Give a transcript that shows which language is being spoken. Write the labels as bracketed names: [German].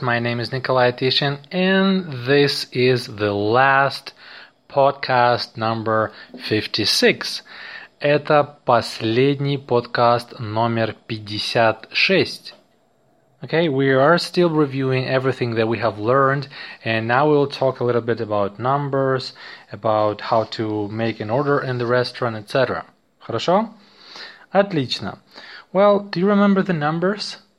[English] My name is Nikolai Tishin, and this is the last podcast number 56. [Russian] Это последний подкаст номер 56. [English] Okay, we are still reviewing everything that we have learned, and now we'll talk a little bit about numbers, about how to make an order in the restaurant, etc. [Russian] Хорошо? Отлично. [English] Well, do you remember the numbers?